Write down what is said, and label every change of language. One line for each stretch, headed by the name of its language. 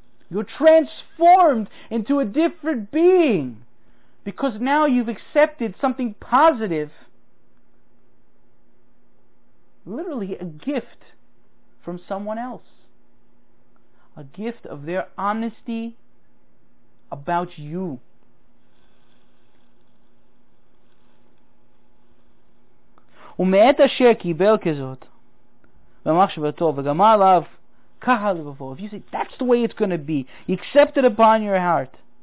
English: You're transformed into a different being, because now you've accepted something positive, literally a gift from someone else, a gift of their honesty about you.
Hebrew: ומעט אשר קיבל כזאת במחשבתו וגמר עליו ככה לבבו.
English: If you say that's the way it's going to be, you accept it upon your heart,